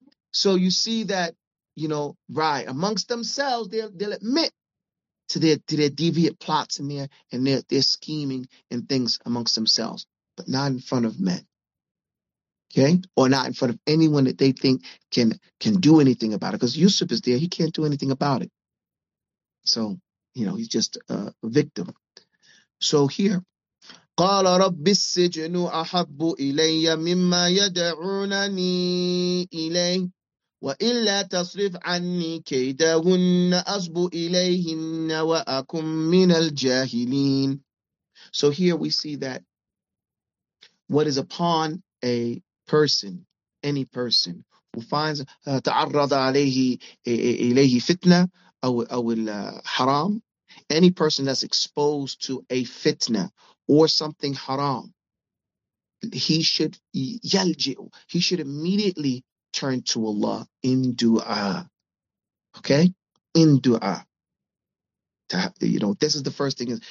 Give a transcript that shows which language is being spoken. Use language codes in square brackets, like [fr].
[en] So you see that, you know, right, amongst themselves, they'll admit to their deviant plots in there and their scheming and things amongst themselves, but not in front of men, okay? Or not in front of anyone that they think can do anything about it, because Yusuf is there. He can't do anything about it. So, you know, he's just a victim. So here, [ar] قال رب السجن أحب إلي مما يدعونني إليه. وَإِلَّا تَصْرِفْ عَنِّي كَيْدَهُنَّ أَصْبُ إِلَيْهِنَّ وَأَكُمْ مِنَ الْجَاهِلِينَ. [en] So here we see that what is upon a person, any person [ar] وفاينز تعرض عليه إليه فتنة أو الحرام. [en] Any person that's exposed to a fitna or something haram, he should yalji'u, he should immediately turn to Allah in du'a. Okay, in du'a. You know, this is the first thing.